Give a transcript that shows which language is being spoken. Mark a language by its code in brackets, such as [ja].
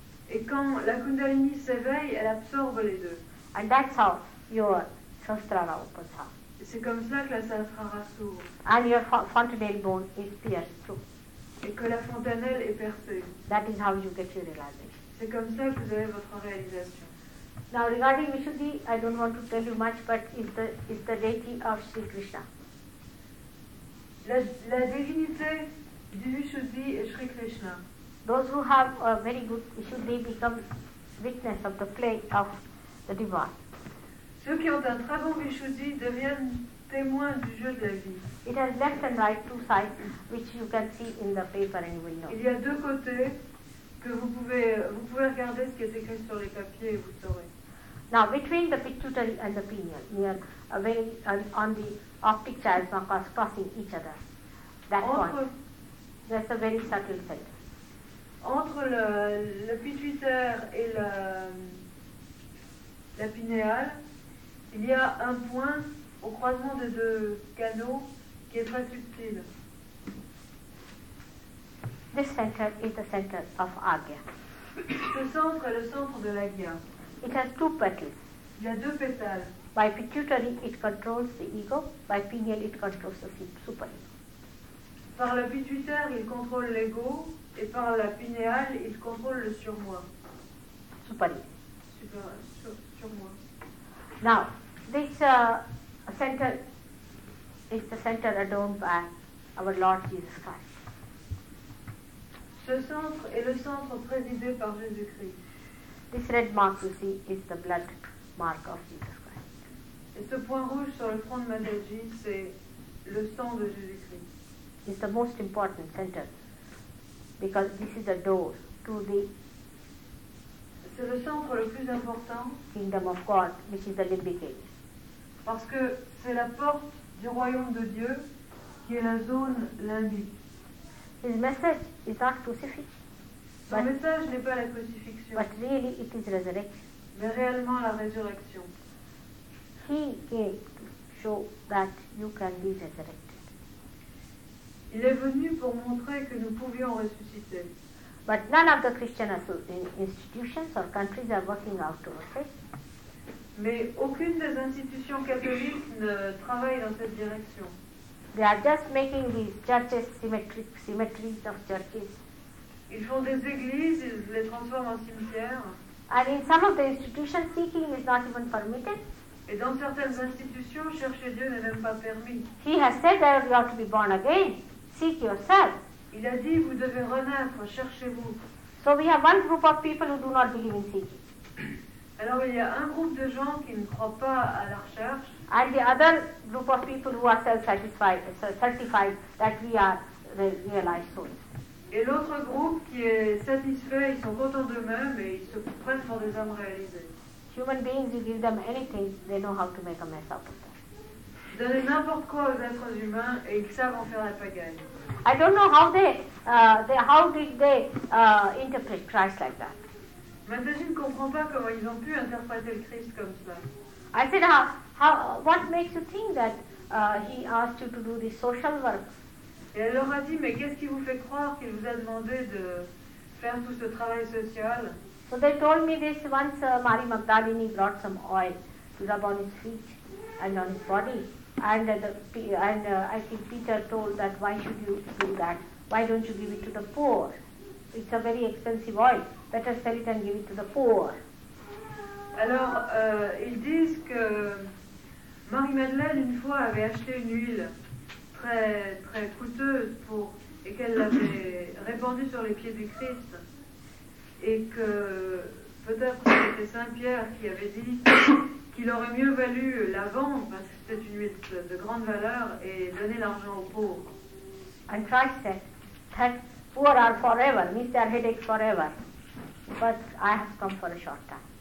[fr] Et quand la Kundalini s'éveille, elle absorbe les deux. [en] And that's how your Sahasrara opens up. [fr] C'est comme ça que la Sahasrara s'ouvre. [en] And your fontanelle bone is pierced through. [fr] Et que la fontanelle est percée. [en] That is how you get your realization. [fr] C'est comme ça que vous avez votre réalisation. [en] Now regarding Vishuddhi, I don't want to tell you much, but is the deity of Sri Krishna. [fr] La divinité du Vishuddhi est Sri Krishna. [en] Those who have a very good Vishuddhi become witness of the play of the divine. [fr] Ceux qui ont un très bon Vishuddhi deviennent témoins du jeu de la vie. [en] It has left and right two sides, which you can see in the paper and you will know. [fr] Il y a deux côtés que vous pouvez regarder ce qui est écrit sur les papiers et vous saurez. [en] Now between the pituitary and the pineal, near a very on the optic chiasma crossing each other, that's a very subtle thing. [fr] Entre le pituitaire et la pinéale, il y a un point au croisement des deux canaux qui est très subtil. [en] This center is the center of Agya. [fr] Ce centre est le centre de l'Agya. [en] It has two petals. [fr] Il y a deux pétales. [en] By pituitary, it controls the ego. By pineal, it controls the superego. [fr] Par la pituitaire, il contrôle l'ego. Et par la pinéale, il contrôle le surmoi. [en] Superego. [fr] Surmoi. [en] Now, this center is the center adorned by our Lord Jesus Christ. [fr] Ce centre est le centre présidé par Jésus-Christ. [en] This red mark you see is the blood mark of Jesus Christ. [fr] Et ce point rouge sur le front de Mataji, c'est le sang de Jésus-Christ. [en] It's the most important center because this is the door to the. [fr] C'est le centre le plus important. [en] Kingdom of God, which is the limbic age. [fr] Parce que c'est la porte du royaume de Dieu qui est la zone limbique. [en] His message is not crucifix. [fr] Son message n'est pas la crucifixion. [en] But really it is resurrection. [fr] Mais réellement la résurrection. [en] He came to show that you can be resurrected. [fr] Il est venu pour montrer que nous pouvions ressusciter. [en] But none of the Christian institutions or countries are working out towards it. [fr] Mais aucune des institutions catholiques ne travaille dans cette direction. [en] They are just making these churches symmetries of churches. [fr] Ils font des églises, ils les transforment en cimetières. [en] And in some of the institutions, seeking is not even permitted. [fr] Et dans certaines institutions, chercher Dieu n'est même pas permis. [en] He has said that you have to be born again. Seek yourself. [fr] Il a dit, vous devez renaître, cherchez-vous. [en] So we have one group of people who do not believe in seeking. [fr] Alors il y a un groupe de gens qui ne croient pas à la recherche. [en] And the other group of people who are self-certified that we are realized souls. [fr] Et l'autre groupe qui est satisfait, ils sont contents d'eux-mêmes et ils se prennent pour des âmes réalisées. [en] Human beings, you give them anything, they know how to make a mess out of them. [fr] Donnez n'importe quoi aux êtres humains et ils savent en faire la pagaille. [en] I don't know how did they interpret Christ like that. [fr] Mataji ne comprend pas comment ils ont pu interpréter le Christ comme ça. [en] I said, how what makes you think that he asked you to do this social work? [fr] Et elle leur a dit, mais qu'est-ce qui vous fait croire qu'il vous a demandé de faire tout ce travail social? [en] So they told me this once, Mary Magdalene brought some oil to rub on his feet and on his body. And I think Peter told that, why should you do that? Why don't you give it to the poor? It's a very expensive oil. Better sell it and give it to the poor. [fr] Alors, ils disent que Marie-Madeleine, une fois, avait acheté une huile très coûteuse pour et qu'elle l'avait répandue sur les pieds du Christ et que peut-être c'était Saint-Pierre qui avait dit qu'il aurait mieux valu la vendre parce que c'était une huile de grande valeur et donner l'argent aux pauvres. [en] And Christ said that poor are forever, miss their headaches forever, but I have come for a short time.